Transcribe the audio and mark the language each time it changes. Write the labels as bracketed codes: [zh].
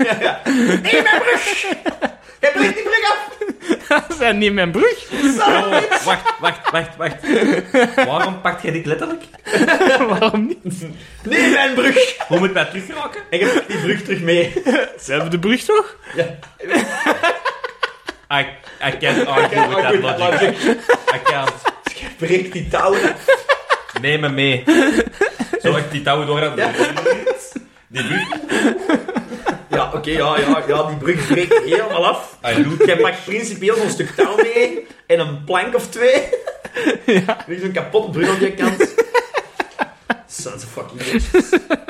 [nl] Ja. Neem mijn brug! Jij breekt die brug af! Dat is niet mijn brug. Wacht. Waarom pakt jij dit letterlijk? Waarom niet? Nee, mijn brug. Hoe moet mij terugraken? Ik heb die brug terug mee. Zelfde brug toch? Ja. [en] I can't argue with that logic. I can't. [nl] Dus jij breekt die touw. Neem me mee. Zorg ik die touw door aan de brug. Die brug. Ja, oké, okay, ja, die brug breekt helemaal af. Jij pakt principieel zo'n stuk touw mee en een plank of twee. Ja. Er is een kapotte brug op je kant. [en] Sons of fucking bitches.